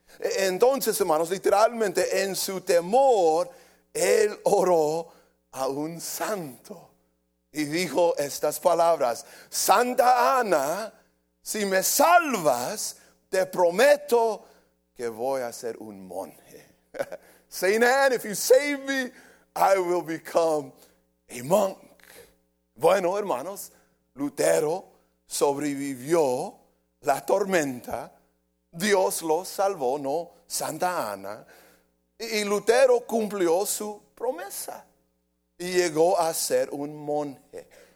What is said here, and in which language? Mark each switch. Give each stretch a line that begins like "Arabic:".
Spanish: Entonces, hermanos, literalmente en su temor, él oró a un santo. Y dijo estas palabras: Santa Ana, si me salvas, te prometo que voy a ser un monje.
English: Saint Anne, if you save me, I will become a monk.
Spanish: Bueno, hermanos, Lutero sobrevivió la tormenta. Dios lo salvó, no Santa Ana. Y Lutero cumplió su promesa y llegó a ser un monje.